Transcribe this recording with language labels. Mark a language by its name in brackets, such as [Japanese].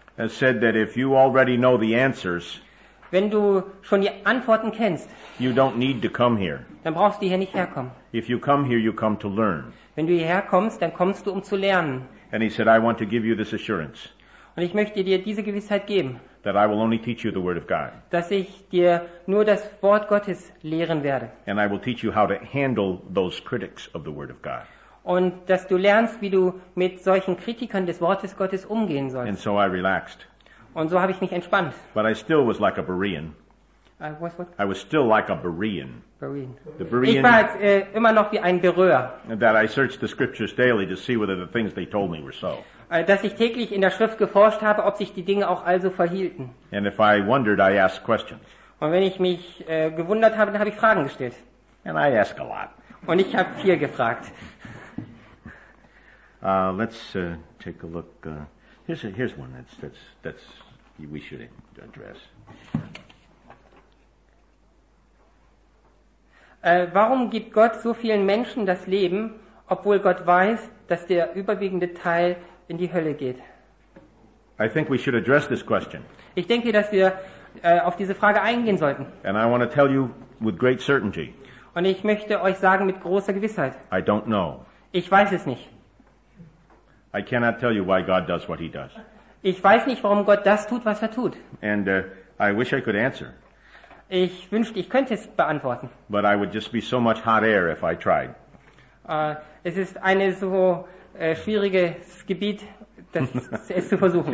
[English] said that if you already know the answers, [German] wenn du schon die Antworten kennst, [English] you don't need to come here. [German] Dann brauchst du hier nicht herkommen. [English] If you come here, you come to learn. [German] Wenn du hierher kommst, dann kommst du, um zu lernen. [English] And he said, I want to give you this assurance. [German] Und ich möchte dir diese Gewissheit geben. [English] That I will only teach you the word of God. [German] Dass ich dir nur das Wort Gottes lehren werde. [English] And I will teach you how to handle those critics of the word of God. [German] Und dass du lernst, wie du mit solchen Kritikern des Wortes Gottes umgehen sollst. [English] And so I relaxed. [German] Und so habe ich mich entspannt. [English] But I still was like a Berean. I was what? I was still like a Berean. Berean. The Berean. [German] Ich war jetzt, immer noch wie ein Berührer. [English] That I searched the scriptures daily to see whether the things they told me were so. [German] Dass ich täglich in der Schrift geforscht habe, ob sich die Dinge auch also verhielten. [English] And if I wondered, I asked questions. [German] Und wenn ich mich gewundert habe, dann habe ich Fragen gestellt. [English] And I ask a lot. [German] Und ich habe viel gefragt. [English] Take a look. Here's one that's we should address. [German] Warum gibt Gott so vielen Menschen das Leben, obwohl Gott weiß, dass der überwiegende Teil in die Hölle geht? [English] I think we should address this question. [German] Ich denke, dass wir auf diese Frage eingehen sollten. [English] And I want to tell you with great certainty. [German] Und ich möchte euch sagen mit großer Gewissheit. [English] I don't know. [German] Ich weiß es nicht. [English] I cannot tell you why God does what he does. [German] Ich weiß nicht, warum Gott das tut, was er tut. [English] And I wish I could answer. [German] Ich wünschte, ich könnte es beantworten. [English] But I would just be so much hot air if I tried. [German] Es ist eine so schwieriges Gebiet, das es zu versuchen.